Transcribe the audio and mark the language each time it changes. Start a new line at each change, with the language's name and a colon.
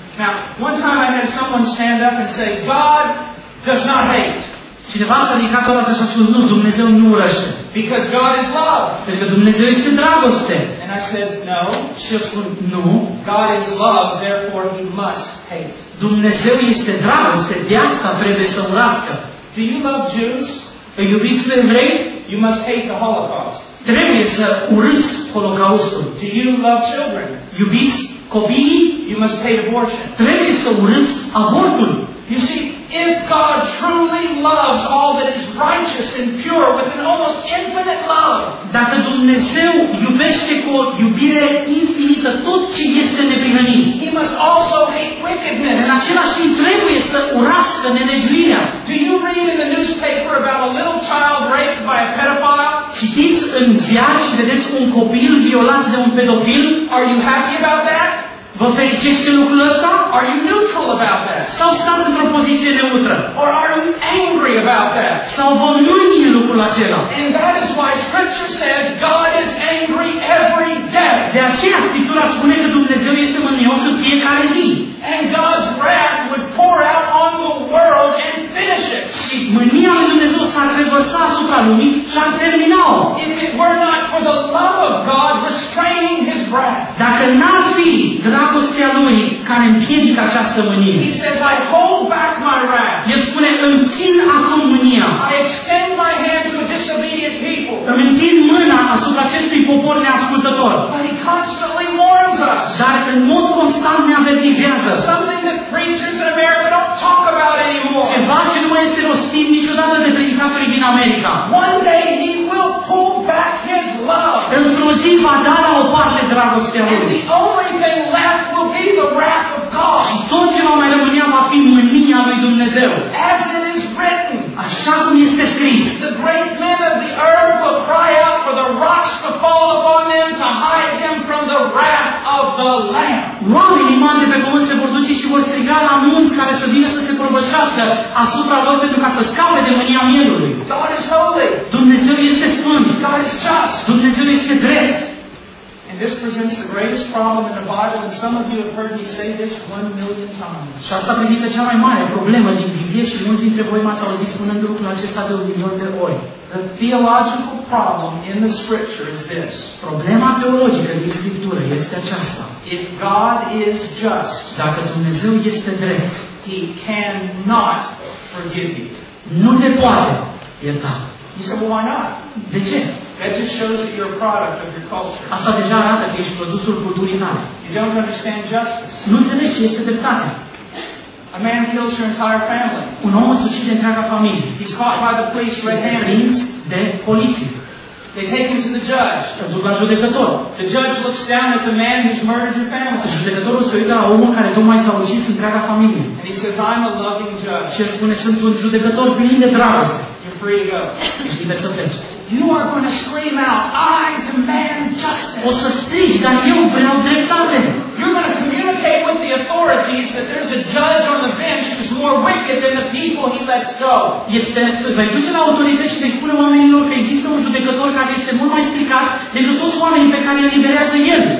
English: Now, one time I had someone stand up and say, God does not hate.
Romanian: Cineva s-a ridicat odată și a spus, nu, Dumnezeu nu urăște.
English: Because God is love.
Romanian: Pentru că Dumnezeu este dragoste.
English: And I said, no.
Romanian: Și eu spun, nu.
English: God is love, therefore he must hate.
Romanian: Dumnezeu este dragoste, de asta trebuie să urască.
English: Do you love Jews?
Romanian: Îi iubiți pe evrei?
English: You must hate the Holocaust.
Romanian: Trebuie să urâți Holocaustul.
English: Do you love children?
Romanian: Iubiți copiii?
English: You must hate abortion.
Romanian: Trebuie să urâți avortul.
English: You see, if God truly loves all that is righteous and pure with an almost infinite love,
Romanian: dacă Dumnezeu iubește cu o iubire infinită tot ce este neprihănit,
English: he must also hate wickedness.
Romanian: În același timp trebuie să urască nelegiuirea.
English: Do you read in the newspaper about a little child raped by a pedophile?
Romanian: Citiți în ziar și vedeți un copil violat de un pedofil?
English: Are you happy about that?
Romanian: Vă fericește lucrul ăsta?
English: Are you neutral about that?
Romanian: Sau stați într-o poziție neutră?
English: Or are you angry about that?
Romanian: Sau vă mânie lucrul acela?
English: And that is why scripture says God is angry every day.
Romanian: De aceea Scriptura spune că Dumnezeu este mânios în fiecare zi.
English: And God's wrath would pour out on the world and finish it.
Romanian: Și mânia lui Dumnezeu s-ar revărsa asupra lumii și ar termina-o.
English: If it were not for the love of God restraining his wrath.
Romanian: Dacă n-ar fi dragostea lui care împiedică această mânie.
English: He says, I hold back my wrath.
Romanian: El spune, îmi țin acum mânia.
English: I extend my hand to a disobedient people.
Romanian: Îmi întind mâna asupra acestui popor neascultător.
English: But he constantly warns us.
Romanian: Dar în mod constant ne avertizează.
English: Something that preachers in America don't talk about anymore.
Romanian: Ceva ce nu este rostit niciodată de predicatorii din America.
English: One day he will pull back his love.
Romanian: Într-o zi va da la o parte dragostea lui.
English: And the only thing left will be the wrath of God.
Romanian: Și tot ce va mai rămâne va fi mânia lui Dumnezeu.
English: As it is written.
Romanian: Așa cum este scris.
English: The great men of the earth will cry out for the rocks to fall upon them to hide them from the wrath of the Lamb.
Romanian: Oamenii mari de pe pământ se vor duce și vor striga la munți care să vină să se prăbășească asupra lor pentru ca să scape de mânia mielului.
English: God is holy.
Romanian: Dumnezeu este sfânt.
English: God is just.
Romanian: Dumnezeu este drept.
English: And this presents the greatest problem in the Bible, and some of you have heard me say this 1,000,000 times.
Romanian: Și asta prezintă cea mai mare problemă din Biblie și mulți dintre voi m-ați auzit spunând lucrul acesta de 1,000,000 de ori.
English: The theological problem in the Scripture is this.
Romanian: Problema teologică din Scriptură este aceasta.
English: If God is just,
Romanian: dacă Dumnezeu este drept,
English: he cannot forgive you.
Romanian: Nu te poate ierta.
English: You say, well, why not?
Romanian: De ce?
English: That just shows that you're a product of your culture.
Romanian: Asta deja arată că ești produsul culturii tale.
English: You don't understand justice.
Romanian: Nu înțelegi ce este dreptate.
English: A man kills your entire family.
Romanian: Un om îți ucide întreaga familie.
English: He's caught by the police red-handed.
Romanian: De poliție.
English: They take him to the judge.
Romanian: Îl duc la judecător.
English: The judge looks down at the man who's murdered your family.
Romanian: Judecătorul se uită la omul care tocmai s-a ucis întreaga familie.
English: And he says, I'm a loving judge.
Romanian: Și el spune, sunt un judecător plin de dragoste.
English: You're free to go.
Romanian: Ești liber să pleci.
English: You are going to scream out, I demand justice.
Romanian: O să strigi, dar eu vreau dreptate.
English: You're going to communicate with the authorities that there's a judge on the bench who's more wicked than the people he lets go.
Romanian: Este, vei duce la autorități și vei spune oamenilor că există un judecător care este mult mai stricat decât toți oamenii pe care îi eliberează el.